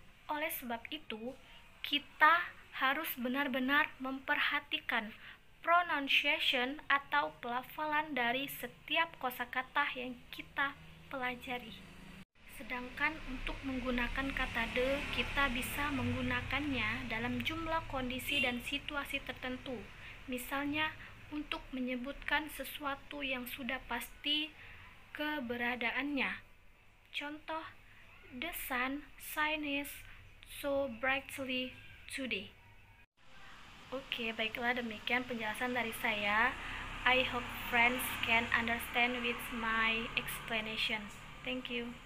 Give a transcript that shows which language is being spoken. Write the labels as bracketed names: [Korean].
[Indonesian] Oleh sebab itu, kita harus benar-benar memperhatikan pronunciation atau pelafalan dari setiap kosakata yang kita pelajari. Sedangkan untuk menggunakan kata the, kita bisa menggunakannya dalam jumlah kondisi dan situasi tertentu. Misalnya, untuk menyebutkan sesuatu yang sudah pasti keberadaannya. Contoh, [English] the sun shines so brightly today. [Indonesian] Oke, baiklah, demikian penjelasan dari saya. [English] I hope friends can understand with my explanation. Thank you.